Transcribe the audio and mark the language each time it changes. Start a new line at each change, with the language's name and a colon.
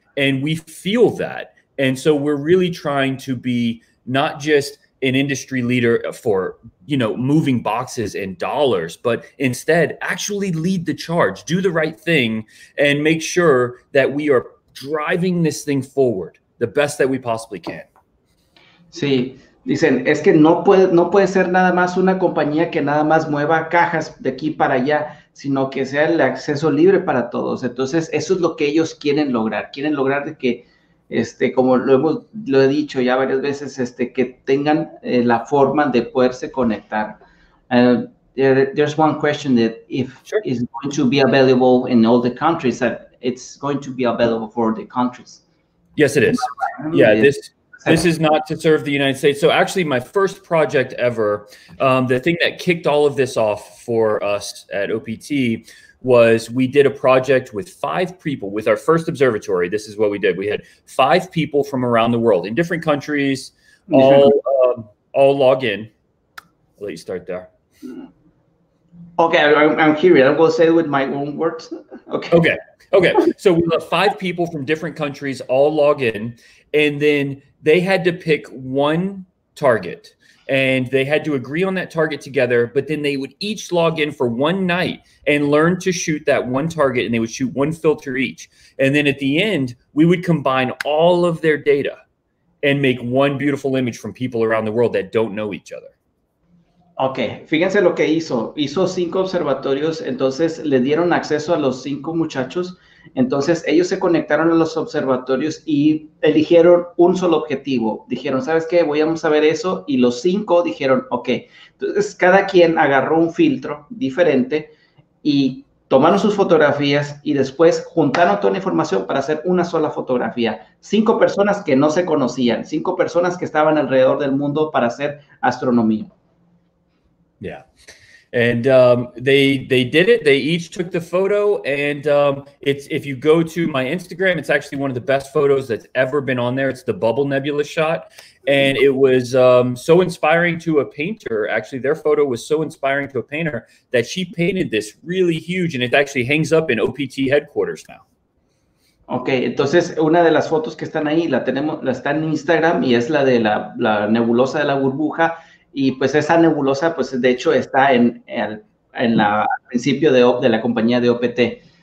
English: And we feel that. And so we're really trying to be not just an industry leader for, you know, moving boxes and dollars, but instead actually lead the charge, do the right thing, and make sure that we are driving this thing forward the best that we possibly can.
Spanish: Sí, dicen, es que no puede ser nada más una compañía que nada más mueva cajas de aquí para allá, sino que sea el acceso libre para todos. Entonces, eso es lo que ellos quieren lograr. Quieren lograr de que, como lo he dicho ya varias veces, que tengan la forma de poderse conectar.
English: There's one question that if sure. It's going to be available in all the countries, that it's going to be available for the countries. Yes, it is. Yeah, this is not to serve the United States. So actually my first project ever, the thing that kicked all of this off for us at OPT was we did a project with five people with our first observatory. This is what we did. We had five people from around the world in different countries, all log in. I'll let you start there. Okay, I'm here. I'm going to say it with my own words. Okay. So we have five people from different countries all log in, and then they had to pick one target and they had to agree on that target together, but then they would each log in for one night and learn to shoot that one target, and they would shoot one filter each. And then at the end, we would combine all of their data and make one beautiful image from people around the world that don't know each other.
Spanish: Okay, fíjense lo que hizo. Hizo cinco observatorios, entonces le dieron acceso a los cinco muchachos. Entonces ellos se conectaron a los observatorios y eligieron un solo objetivo. Dijeron, ¿sabes qué? Vamos a ver eso. Y los cinco dijeron, ok. Entonces cada quien agarró un filtro diferente y tomaron sus fotografías y después juntaron toda la información para hacer una sola fotografía. Cinco personas que no se conocían, cinco personas que estaban alrededor del mundo para hacer astronomía.
English: Yeah. And they did it. They each took the photo. And if you go to my Instagram, it's actually one of the best photos that's ever been on there. It's the Bubble Nebula shot. And it was so inspiring to a painter. Actually, their photo was so inspiring to a painter that she painted this really huge. And it actually hangs up in OPT headquarters now.
Spanish: Okay, entonces una de las fotos que están ahí, la está en Instagram, y es la de la nebulosa de la burbuja. Y pues esa nebulosa, pues de hecho está al principio de la compañía de OPT.